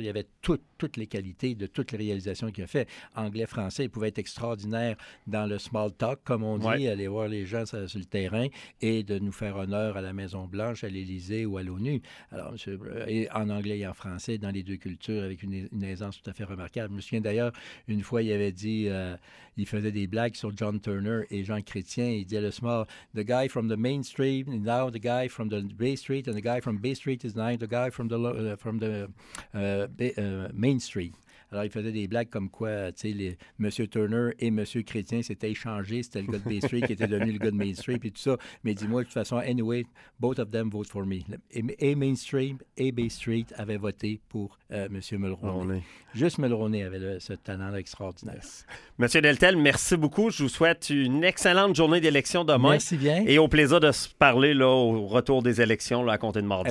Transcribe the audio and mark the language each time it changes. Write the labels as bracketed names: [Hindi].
[French] Il y avait toutes les qualités de toutes les réalisations qu'il a fait. Anglais, français, il pouvait être extraordinaire dans le small talk, comme on dit, aller voir les gens sur le terrain et de nous faire honneur à la Maison Blanche, à l'Élysée ou à l'ONU. Alors, et en anglais et en français, dans les deux cultures, avec une aisance tout à fait remarquable. Je me souviens d'ailleurs, une fois, il avait dit, il faisait des blagues sur John Turner et Jean Chrétien. Il disait le soir, [English] the guy from the Main Street, now the guy from the Bay Street, and the guy from Bay Street is now the guy from the Main Street. [French] Alors, il faisait des blagues comme quoi, tu sais, M. Turner et M. Chrétien s'étaient échangés. C'était le gars de Bay Street qui était devenu le gars de Main Street et tout ça. Mais dis-moi, de toute façon, [English] anyway, both of them vote for me. [French] Et Main Street et Bay Street avaient voté pour M. Mulroney. Juste Mulroney avait ce talent extraordinaire. M. Deltel, merci beaucoup. Je vous souhaite une excellente journée d'élection demain. Merci bien. Et au plaisir de se parler là, au retour des élections là, à compter de mardi.